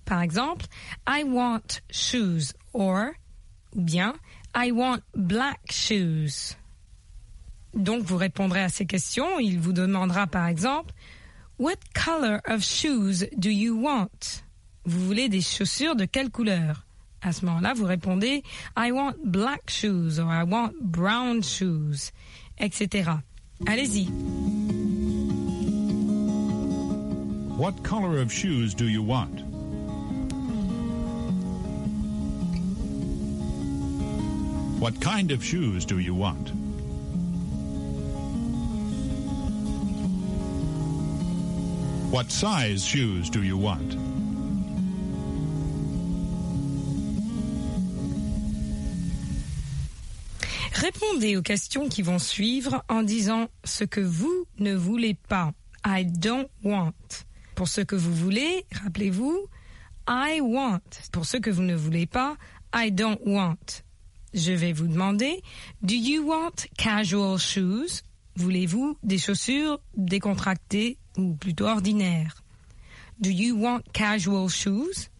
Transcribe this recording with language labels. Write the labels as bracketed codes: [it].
[fr] Par exemple, [en] I want shoes. Or, [fr] ou bien, [en] I want black shoes. [fr] Donc, vous répondrez à ces questions. Il vous demandera, par exemple, [en] What color of shoes do you want? [fr] Vous voulez des chaussures de quelle couleur? À ce moment-là, vous répondez « [en] I want black shoes [fr] » or « [en] I want brown shoes [fr] », etc. Allez-y. [en] What color of shoes do you want? What kind of shoes do you want? What size shoes do you want? [fr] Répondez aux questions qui vont suivre en disant ce que vous ne voulez pas. [en] I don't want. [fr] Pour ce que vous voulez, rappelez-vous, [en] I want. [fr] Pour ce que vous ne voulez pas, [en] I don't want. [fr] Je vais vous demander, [en] do you want casual shoes? [fr] Voulez-vous des chaussures décontractées ou plutôt ordinaires? [en] Do you want casual shoes?